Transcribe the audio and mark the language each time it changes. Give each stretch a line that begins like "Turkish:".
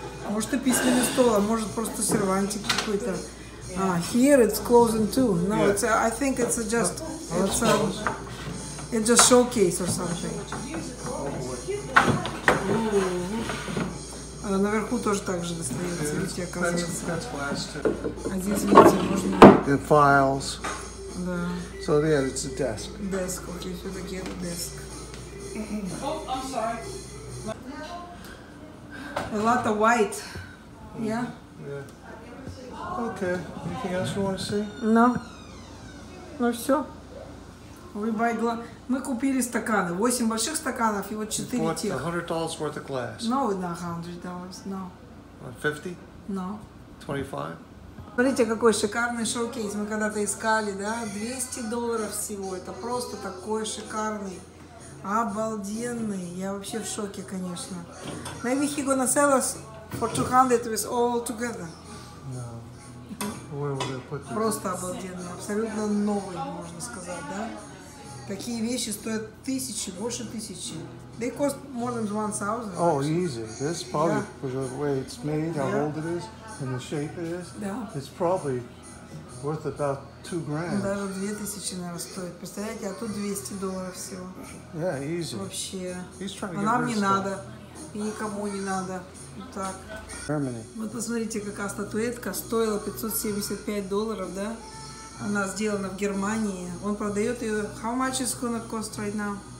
Russian: Может, и письменный стол, а может просто сервантик какой-то.
English: А, here it's closing too. No, yeah. It's a, I think it's a just it's just showcase or something. Ooh. A
Russian: Наверху тоже так же достается витья, оказывается.
English: That's
Russian: один витья можно...
English: The files.
Russian: Да.
English: So, yeah, it's a desk.
Russian: Desk, окей, все-таки это desk.
English: Oh, I'm sorry. A lot of white. Yeah? Yeah. Okay, anything else you want to see?
Russian: No. Ну все. Мы купили стаканы. 8 больших стаканов и вот 4 тех.
English: What's $100 worth of glass? No, not $100, no. $50? No. $25?
Russian: Смотрите, какой шикарный шоу-кейс. Мы когда-то искали, да? $200 всего. Это просто такой шикарный. Обалденный. Я вообще в шоке, конечно.
English: Maybe he gonna sell us for $200 with all together.
Russian: Просто обалденный, абсолютно новый, можно сказать, да? Такие вещи стоят тысячи, больше тысячи.
English: They cost more than 1,000. Oh, easy. This probably, yeah. The way it's made, how old it is, and the shape it is, yeah. It's probably worth about $2,000.
Russian: Даже 2000, наверное, стоит. Представляете, а тут $200 всего.
English: Yeah, easy.
Russian: Вообще.
English: He's trying to
Russian: а нам не
English: stuff.
Russian: Надо, и никому не надо. Так. Вот посмотрите, какая статуэтка стоила $575, да? Она сделана в Германии. Он продает ее.
English: How much is gonna cost right now?